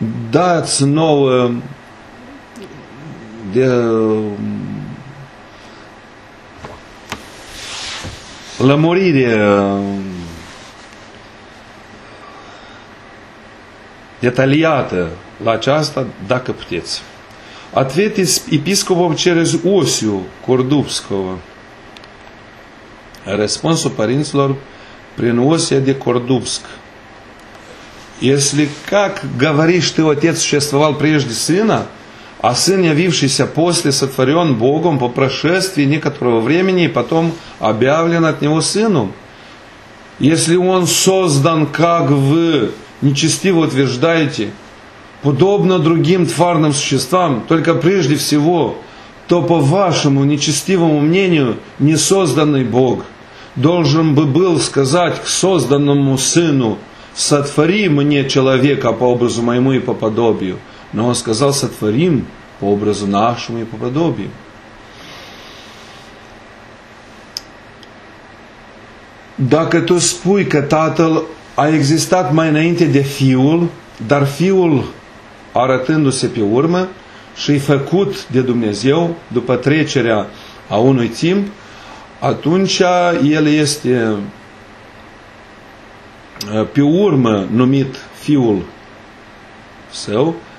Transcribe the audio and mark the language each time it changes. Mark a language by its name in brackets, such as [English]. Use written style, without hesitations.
[Romanian] Dați nouă de lămurire detaliată la aceasta, dacă puteți. [Russian] Ответ епископов через Осию Кордубского. [Romanian] Răspunsul părinților prin Осия de Кордубск. [Russian] Если как говоришь ты, отец существовал прежде сына, а сын, явившийся после, сотворен Богом по прошествии некоторого времени и потом объявлен от него сыном. Если он создан, как вы нечестиво утверждаете, подобно другим тварным существам, только прежде всего, то по вашему нечестивому мнению несозданный Бог должен бы был сказать к созданному Сыну: «Сотвори мне человека по образу моему и по подобию». Но Он сказал: «Сотворим по образу нашему и по подобию». [Romanian] Dacă tu spui că Tatăl a existat mai înainte de Fiul, dar Fiul, arătându-se pe urmă și-i făcut de Dumnezeu după trecerea a unui timp, atunci El este pe urmă numit Fiul Său.